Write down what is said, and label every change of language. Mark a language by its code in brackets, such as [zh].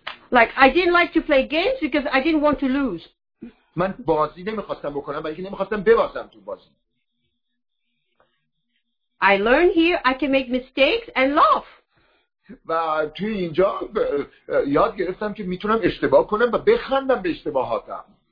[en] Like, I didn't like to play games because I didn't want to lose. [fa] من بازی نمیخواستم بکنم بلکه نمیخواستم ببازم تو بازی. [en] I learn here I can make mistakes and laugh. [fa] و تو اینجا یاد گرفتم که میتونم اشتباه کنم و بخندم به اشتباهاتم.